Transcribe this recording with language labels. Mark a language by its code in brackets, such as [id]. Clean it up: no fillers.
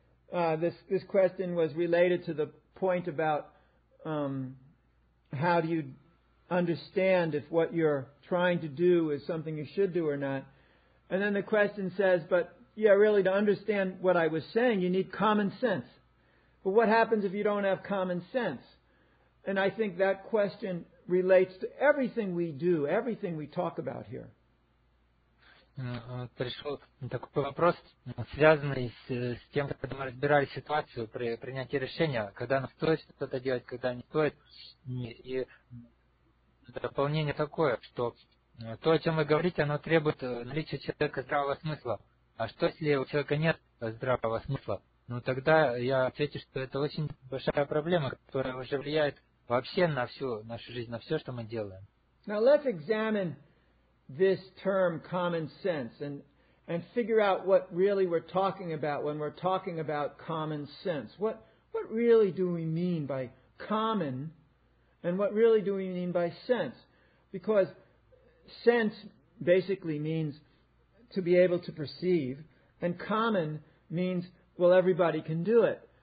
[en] This question was related to the point about how do you understand if what you're trying to do is something you should do or not. And then the question says, but yeah, really, to understand what I was saying, you need common sense. But what happens if you don't have common sense? And I think that question relates to everything we do, everything we talk about here. [ru] Пришел такой вопрос, связанный с тем, как мы разбирали ситуацию при принятии решения, когда нам стоит что-то делать, когда не стоит. И дополнение такое, что то, о чем вы говорите, оно требует наличия человека здравого смысла. А что, если у человека нет здравого смысла? Ну, тогда я отвечу, что это очень большая проблема, которая уже влияет вообще на всю нашу жизнь, на все, что мы делаем. [en] Now let's examine this term common sense and figure out what really we're talking about when we're talking about common sense. What really do we mean by common and what really do we mean by sense? Because sense basically means to be able to perceive, and common means, well, everybody can do it.